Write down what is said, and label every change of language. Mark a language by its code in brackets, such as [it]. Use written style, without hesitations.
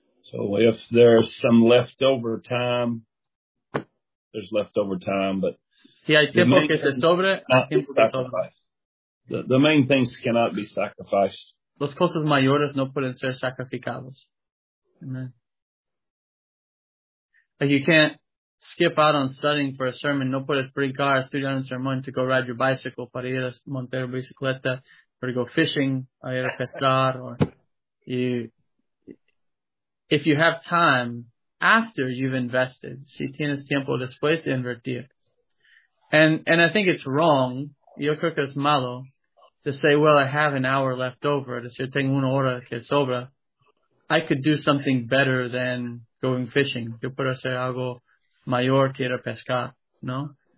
[en] So if there's some leftover time, there's leftover time, but [es] si hay tiempo que te sobre, hay tiempo que sobre. [en] The main things cannot be sacrificed. [es] Las cosas mayores no pueden ser sacrificadas. Amen. [en] Like you can't skip out on studying for a sermon. [es] No puedes brincar a estudiar un sermón [en] to go ride your bicycle, [es] para ir a montar bicicleta, [en] or to go fishing, [es] a ir a pescar. [en] If you have time after you've invested, [es] si tienes tiempo después de invertir. [en] And I think it's wrong, [es] yo creo que es malo, [en] to say, well, I have an hour left over, to say, [es] tengo una hora que sobra. [en] I could do something better than going fishing. [es] Yo puedo hacer algo mayor que ir a pescar, ¿no?